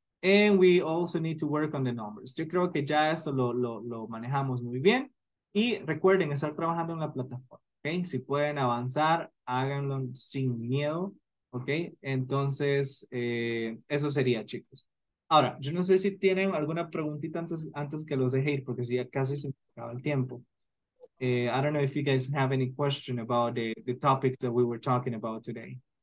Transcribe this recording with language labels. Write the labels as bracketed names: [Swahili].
[English] And we also need to work on the numbers. [Spanish] Yo creo que ya esto lo manejamos muy bien. Y recuerden estar trabajando en la plataforma, ¿okay? Si pueden avanzar, háganlo sin miedo. Ok, entonces eso sería, chicos. Ahora, yo no sé si tienen alguna preguntita antes que los deje ir, porque si ya casi se me acaba el tiempo. [English] I don't know if you guys have any question about the topics that we were talking about today.